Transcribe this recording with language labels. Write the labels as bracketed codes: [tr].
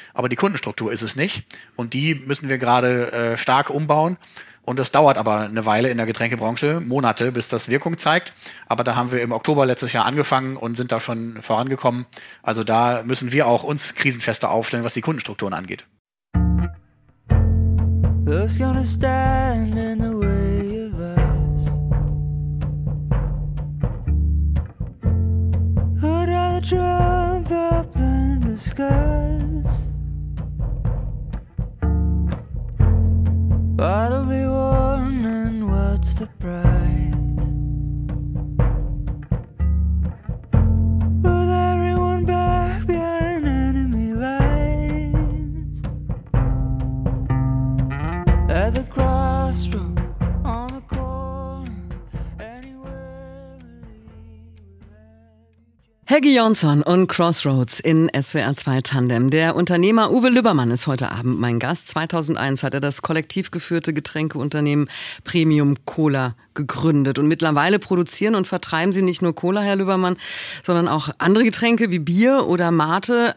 [de] Aber die Kundenstruktur ist es nicht. Und die müssen wir gerade stark umbauen. Und es dauert aber eine Weile in der Getränkebranche, Monate, bis das Wirkung zeigt. Aber da haben wir im Oktober letztes Jahr angefangen und sind da schon vorangekommen. Also da müssen wir auch uns krisenfester aufstellen, was die Kundenstrukturen angeht. [en] Who's gonna stand in the way of us? Who'd rather jump up in the skies? What'll be won and what's the prize? With everyone back behind enemy lines. At the crossroad, on the corner, anywhere we leave. [de] Helgi Jonsson und Crossroads in SWR 2 Tandem. Der Unternehmer Uwe Lübbermann ist heute Abend mein Gast. 2001 hat er das kollektiv geführte Getränkeunternehmen Premium Cola gegründet. Und mittlerweile produzieren und vertreiben sie nicht nur Cola, Herr Lübbermann, sondern auch andere Getränke wie Bier oder Mate.